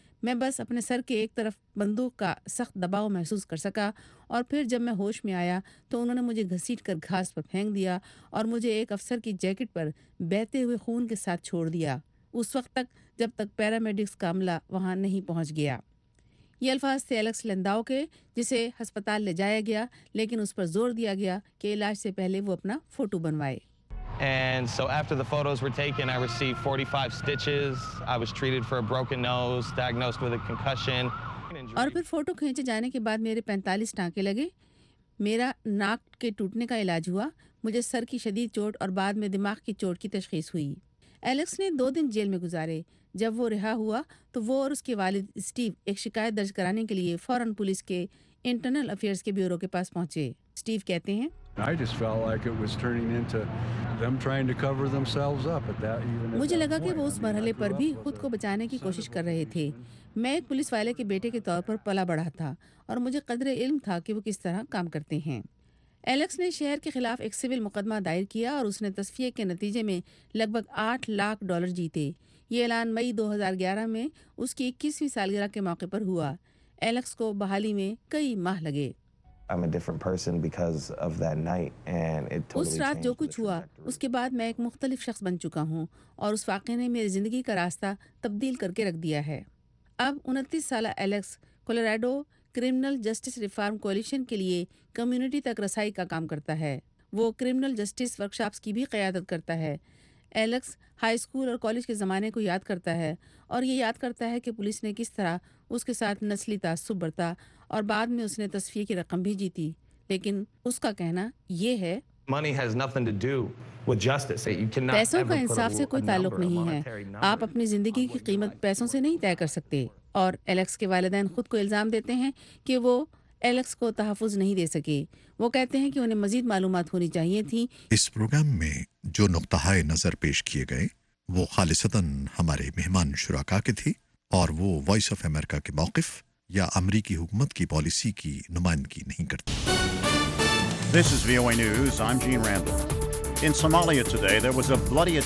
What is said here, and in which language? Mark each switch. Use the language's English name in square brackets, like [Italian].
[Urdu] میں بس اپنے سر کے ایک طرف بندوق کا سخت دباؤ محسوس کر سکا, اور پھر جب میں ہوش میں آیا تو انہوں نے مجھے گھسیٹ کر گھاس پر پھینک دیا, اور مجھے ایک افسر کی جیکٹ پر بہتے ہوئے خون کے ساتھ چھوڑ دیا, اس وقت تک جب تک پیرامیڈکس کا عملہ وہاں نہیں پہنچ گیا. یہ الفاظ تھے الیکس لینداؤ کے, جسے ہسپتال لے جایا گیا, لیکن اس پر زور دیا گیا کہ علاج سے پہلے وہ اپنا photo بنوائے. [English] And so after the photos were taken, I received 45 stitches. I was treated for a broken nose, diagnosed with a concussion. [Urdu] اور پھر فوٹو کھینچے جانے کے بعد میرے 45 ٹانکے لگے, میرا ناک کے ٹوٹنے کا علاج ہوا, مجھے سر کی شدید چوٹ اور بعد میں دماغ کی چوٹ کی تشخیص ہوئی. الیکس نے 2 دن جیل میں گزارے. جب وہ رہا ہوا تو وہ اور اس کے والد اسٹیو ایک شکایت درج کرانے کے لیے فوراً پولیس کے انٹرنل افیئرز کے بیورو کے پاس پہنچے. اسٹیو کہتے ہیں, [English] I just felt like it was turning into them trying to cover themselves up at that even [Urdu] مجھے لگا کہ وہ اس مرحلے پر بھی خود کو بچانے کی کوشش کر رہے تھے. میں ایک پولیس والے کے بیٹے کے طور پر پلا بڑھا تھا, اور مجھے قدرے علم تھا کہ وہ کس طرح کام کرتے ہیں. الیکس نے شہر کے خلاف ایک سول مقدمہ دائر کیا, اور اس نے تصفیے کے نتیجے میں لگ بھگ $800,000 جیتے. یہ اعلان مئی 2011 میں اس کی 21ویں سالگرہ کے موقع پر ہوا. ایلکس کو بحالی میں کئی ماہ لگے. [English] I'm a different person because of that night and it totally changed. [Urdu] اس رات جو کچھ ہوا اس کے بعد میں ایک مختلف شخص بن چکا ہوں اور اس واقعے نے میری زندگی کا راستہ تبدیل کر کے رکھ دیا ہے. اب 29 سالہ Alex Colorado criminal justice reform coalition کے لیے کمیونٹی تک رسائی کا کام کرتا ہے. وہ کرمنل جسٹس ورکشاپس کی بھی قیادت کرتا ہے. ایلکس ہائی اسکول اور کالج کے زمانے کو یاد کرتا ہے اور یہ یاد کرتا ہے کہ پولیس نے کس طرح اس کے ساتھ نسلی تعصب برتا اور بعد میں اس نے تصفیہ کی رقم بھی جیتی. لیکن اس کا کہنا یہ ہے [English] Money has nothing to do with justice. You cannot ever put [Urdu] پیسوں کا انصاف سے کوئی تعلق نہیں ہے. آپ اپنی زندگی کی قیمت پیسوں سے نہیں طے کر سکتے. اور ایلکس کے والدین خود کو الزام دیتے ہیں کہ وہ ایلکس کو تحفظ نہیں دے سکے. وہ کہتے ہیں کہ انہیں مزید معلومات ہونی چاہیے تھیں. اس پروگرام میں جو نقطہ نظر پیش کیے گئے وہ خالصتاً ہمارے مہمان شراکا کے تھے اور وہ وائس آف امریکہ کے موقف یا امریکی حکومت کی پالیسی کی نمائندگی نہیں کرتے. [English] This is VOA News. I'm Gene Randall. In Somalia today, there was a bloody attack.